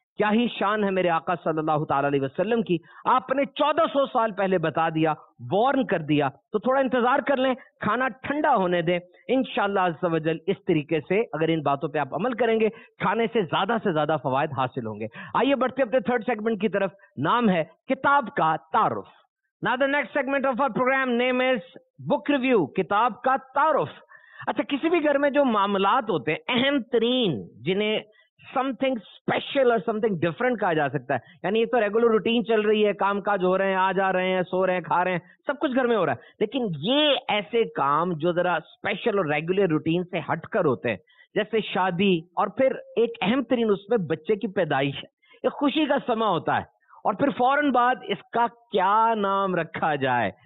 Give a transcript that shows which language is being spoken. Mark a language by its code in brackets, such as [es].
[ur] کیا ہی شان ہے میرے آقا صلی اللہ تعالی علیہ وسلم کی, آپ نے 1400 سال پہلے بتا دیا, وارن کر دیا. تو تھوڑا انتظار کر لیں, کھانا ٹھنڈا ہونے دیں, انشاءاللہ عز و جل اس طریقے سے اگر ان باتوں پہ آپ عمل کریں گے, کھانے سے زیادہ فوائد حاصل ہوں گے. آئیے بڑھتے اپنے تھرڈ سیگمنٹ کی طرف, نام ہے کتاب کا تعارف. [en] Now the next segment of our program name is book review, [ur] کتاب کا تعارف. اچھا, کسی بھی گھر میں جو معاملات ہوتے ہیں اہم ترین, جنہیں [en] something special or something different [ur] کہا جا سکتا ہے, یعنی ایک تو ریگولر روٹین چل رہی ہے, کام کاج ہو رہے ہیں, آ جا رہے ہیں, سو رہے ہیں, کھا رہے ہیں, سب کچھ گھر میں ہو رہا ہے, لیکن یہ ایسے کام جو ذرا اسپیشل اور ریگولر روٹین سے ہٹ کر ہوتے ہیں, جیسے شادی, اور پھر ایک اہم ترین اس میں بچے کی پیدائش, ایک خوشی کا سماں ہوتا ہے, اور پھر فوراً بعد اس کا کیا نام رکھا جائے.